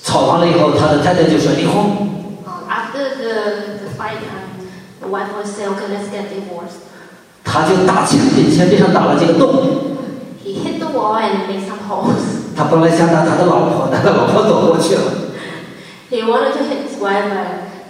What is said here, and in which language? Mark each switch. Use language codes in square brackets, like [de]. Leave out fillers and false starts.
[zh] 吵完了以后，他的太太就说离婚。 [en] After the fight, the wife will say, "Okay, let's get divorced." [zh] 他就打墙壁，墙壁上打了几个洞。 [en] He hit the wall and made some holes. [zh] 他本来想打他的老婆，但他老婆躲过去了。 [en] He wanted to hit his wife, but.